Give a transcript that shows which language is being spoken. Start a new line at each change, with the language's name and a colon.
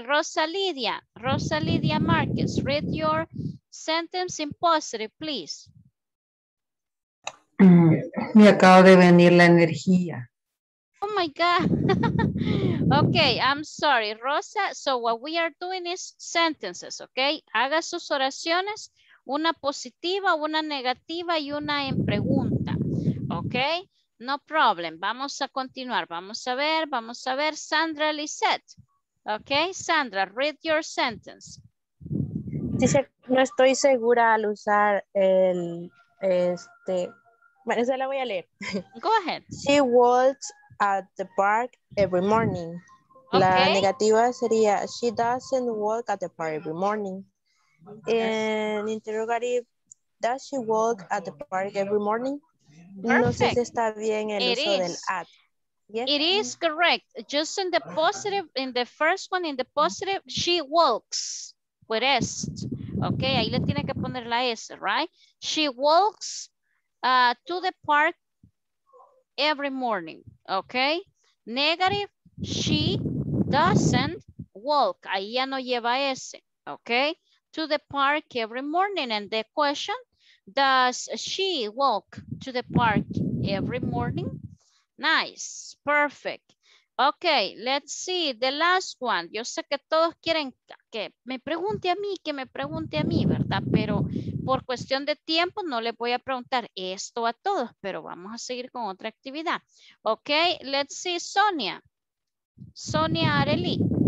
English: Rosa Lidia Márquez, read your sentence in positive, please.
Spanish: Me acaba de venir la energía.
English: Oh my God. Okay, I'm sorry, Rosa. So what we are doing is sentences, okay?
Spanish: Haga sus oraciones, una positiva, una negativa y una en pregunta, okay?
English: No problem.
Spanish: Vamos a continuar. Vamos a ver. Sandra Lisette.
English: Okay, Sandra, read your sentence.
Spanish: Dice, no estoy segura al usar el, bueno, esa la voy a leer.
English: Go ahead. She walks at the park every morning. Okay.
Spanish: La negativa sería
English: she doesn't walk at the park every morning. And interrogative, does she walk at the park every morning? Perfect.
Spanish: No sé si está bien el it uso is. Del at.
English: Yes? It is correct. Just in the positive, in the first one, in the positive, she walks with S.
Spanish: Okay, ahí le tiene que poner la S, right?
English: She walks to the park every morning, okay? Negative, she doesn't walk.
Spanish: Ahí ya no lleva ese, okay?
English: To the park every morning. And the question, does she walk to the park every morning? Nice, perfect. Okay, let's see the last one.
Spanish: Yo sé que todos quieren que me pregunte a mí, ¿verdad? Pero por cuestión de tiempo no les voy a preguntar esto a todos, pero vamos a seguir con otra actividad.
English: Okay, let's see Sonia. Sonia Arely.